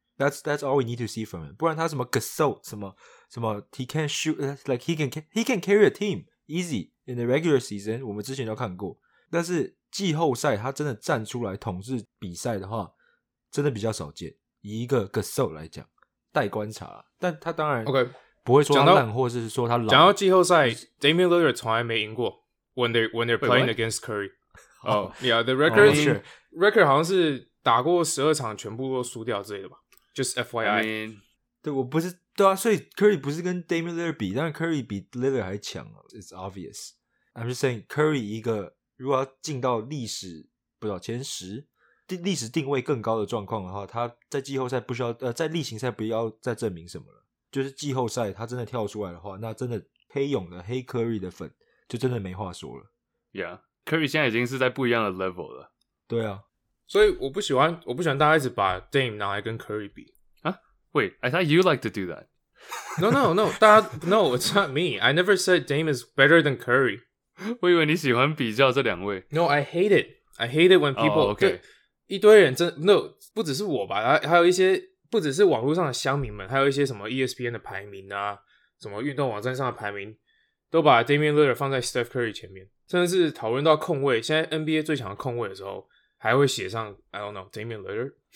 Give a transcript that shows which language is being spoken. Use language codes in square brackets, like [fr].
[en] That's all we need to see from him。 [zh] 不然他什么 [en] Gasol 什么 he can shoot like he can carry a team easy in the regular season， [zh] 我们之前都看过。但是季后赛他真的站出来统治比赛的话，真的比较少见。以一个 Gasol 来讲，待观察，但他当然 [en] OK [zh] 不会说他烂，或是说他老。讲到季后赛 ，Damian Lillard 从来没赢过。 [en] When they're playing against Curry， 哦、yeah， the record、 oh, sure. [zh] record 好像是打过12场全部都输掉之类的吧。 [en] Just FYI， I mean, [zh] 对，我不是对啊，所以 Curry 不是跟 Damian Lillard 比，但是 Curry 比 Lillard 还强啊。 [en] It's obvious。 I'm just saying [zh] Curry 一个如果要进到历史不知道前十。历史定位更高的状况的话，他在季后赛不需要在例行赛不要再证明什么了，就是季后赛他真的跳出来的话，那真的黑勇的黑 Curry 的粉就真的没话说了。 [en] Yeah， [zh] Curry 现在已经是在不一样的 level 了。对啊，所以我不喜欢大家一直把 Dame 拿来跟 Curry 比啊。 [en] Wait， I thought you like to do that。 No [zh] 大家 [en] No it's not me， I never said Dame is better than Curry。 [zh] 我以为你喜欢比较这两位。 [en] No， I hate it when people、 oh, okay. [zh] 一堆人真的 no， 不只是我吧，还有一些不只是网络上的乡民们，还有一些什么 ESPN 的排名啊，什么运动网站上的排名，都把 Damian Lillard 放在 Steph Curry 前面，甚至是讨论到控卫，现在 NBA 最强的控卫的时候，还会写上 [en] I don't know [zh] Damian Lillard，